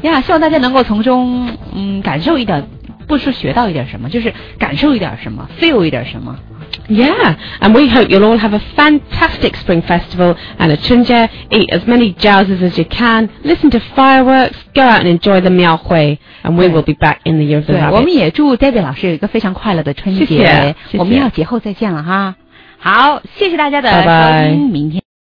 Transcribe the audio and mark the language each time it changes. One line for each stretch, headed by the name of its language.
Chinese: Yeah, 希望大家能够从中、感受一点不是学到一点什么就是感受一点什么 feel 一点什么
English: Yeah, and we hope you'll all have a fantastic spring festival and a 春节 eat as many jowsers as you can listen to fireworks go out and enjoy the 庙会 and we will be back in the year of the rabbit
Chinese: 我们也祝 Debbie 老师有一个非常快乐的春节谢谢我们要节后再见了哈好谢谢大家的收听明天